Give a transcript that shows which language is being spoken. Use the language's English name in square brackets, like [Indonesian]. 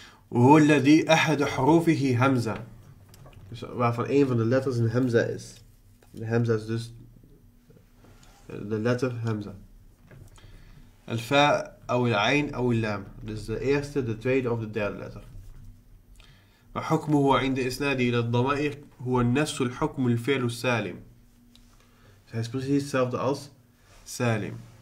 [Arabic] وهو الذي أحد حروفه همزة. [Dutch] Dus waarvan een van de letters een hamza is. De hamza is dus de letter hamza. [Arabic] الفاء أو العين أو اللام. [Dutch] Dus de eerste, de tweede of de derde letter. [Arabic] وحكمه عند إسناده إلى الضمائر هو نفس الحكم الفعل السالم. [Dutch] Dus hij is precies hetzelfde als Salim.